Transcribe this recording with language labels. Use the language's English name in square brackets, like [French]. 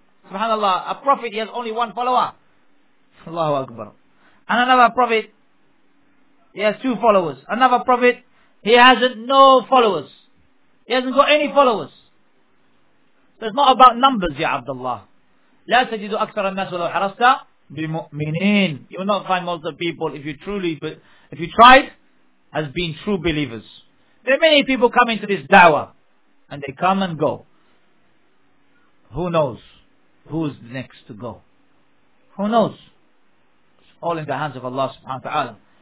[English] SubhanAllah, a prophet, he has only one follower. Allahu Akbar. And another prophet, he has two followers. Another prophet, he hasn't no followers. He hasn't got any followers. So it's not about numbers, Ya Abdullah. [Arabic] لا تجد أكثر الناس ولو حرصت بمؤمنين. [English] You will not find most of the people if you tried, as being true believers. There are many people coming to this da'wah, and they come and go. Who knows? who's next to go. Who knows? It's all in the hands of Allah subhanahu wa ta'ala.